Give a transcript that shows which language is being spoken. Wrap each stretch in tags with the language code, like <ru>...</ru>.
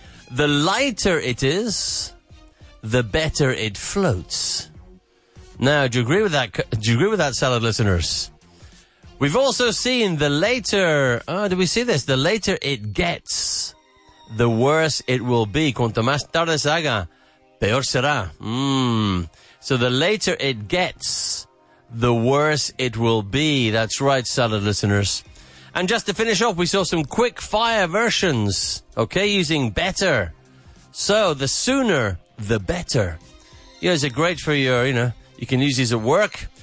<en>The lighter it is, the better it floats. Now, do you agree with that? Do you agree with that, salad listeners? We've also seen the later, did we see this? The later it gets, the worse it will be.</en> <es>Cuanto más tarde se haga, peor será.</es> <en>So the later it gets, the worse it will be. That's right, salad listeners. And just to finish off, we saw some quick fire versions, okay, using better. So the sooner, the better. Yeah, these are great for your, you know, you can use these at work.</en>